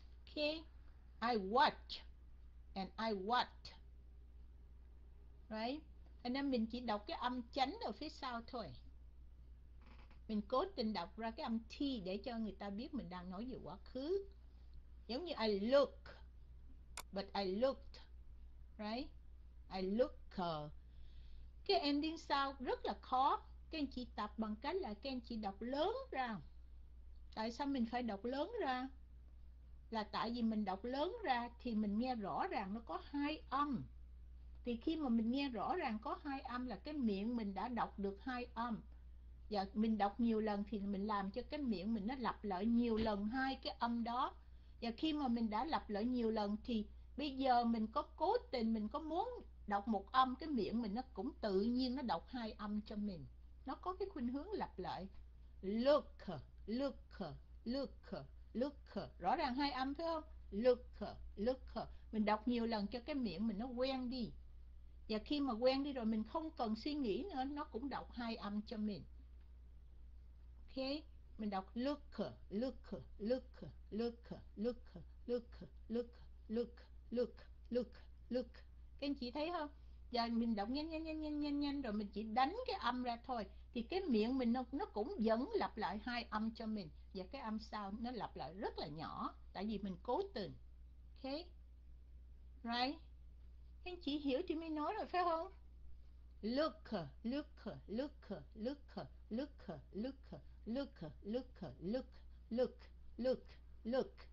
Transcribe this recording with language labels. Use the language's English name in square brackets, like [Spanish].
[English] Okay. I watch and I what. Right? [Vietnamese] Nên mình chỉ đọc cái âm chánh ở phía sau thôi. Mình cố tình đọc ra cái âm T để cho người ta biết mình đang nói về quá khứ. Giống như [English] I look, but I looked, right? I look. [Vietnamese] Cái ending sound rất là khó. Các anh chị tập bằng cách là các anh chị đọc lớn ra. Tại sao mình phải đọc lớn ra? Là tại vì mình đọc lớn ra thì mình nghe rõ ràng nó có hai âm. Thì khi mà mình nghe rõ ràng có hai âm là cái miệng mình đã đọc được hai âm. Và mình đọc nhiều lần thì mình làm cho cái miệng mình nó lặp lại nhiều lần hai cái âm đó. Và khi mà mình đã lặp lại nhiều lần thì bây giờ mình có cố tình mình có muốn đọc một âm, cái miệng mình nó cũng tự nhiên nó đọc hai âm cho mình. Nó có cái khuynh hướng lặp lại. [English] Look, look, look, look. [Vietnamese] Rõ ràng hai âm phải không? [English] Look, look. [Vietnamese] Mình đọc nhiều lần cho cái miệng mình nó quen đi. Và khi mà quen đi rồi mình không cần suy nghĩ nữa, nó cũng đọc hai âm cho mình. [English] Ok, [Vietnamese] mình đọc [English] look, look, look, look, look, look, look, look, look, look, look, look. [Vietnamese] Các anh chị thấy không? Giờ mình đọc nhanh nhanh nhanh nhanh nhanh nhanh rồi mình chỉ đánh cái âm ra thôi, thì cái miệng mình nó cũng vẫn lặp lại hai âm cho mình, và cái âm sau nó lặp lại rất là nhỏ tại vì mình cố tình. [English] Ok, right? [Vietnamese] Anh chị hiểu thì mới nói rồi phải không? [English] Look, look, look, look, look, look, look, look, look, look, look, look, look, look.